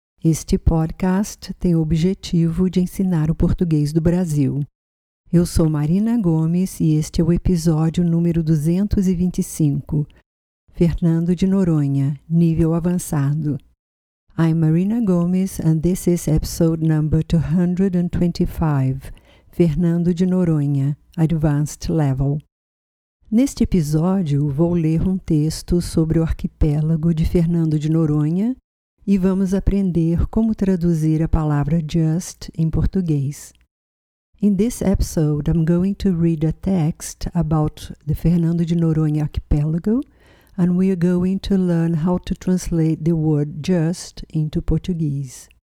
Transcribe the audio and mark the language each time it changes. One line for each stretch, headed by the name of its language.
Portuguese: Este podcast tem o objetivo de ensinar o português do Brasil. Eu sou Marina Gomes e este é o episódio número 225. Fernando de Noronha, nível avançado.
English: I'm Marina Gomes and this is episode number 225. Fernando de Noronha, Advanced Level.
Portuguese: Neste episódio, vou ler um texto sobre o arquipélago de Fernando de Noronha e vamos aprender como traduzir a palavra just em português.
English: In this episode, I'm going to read a text about the Fernando de Noronha archipelago and we are going to learn how to translate the word just into Portuguese.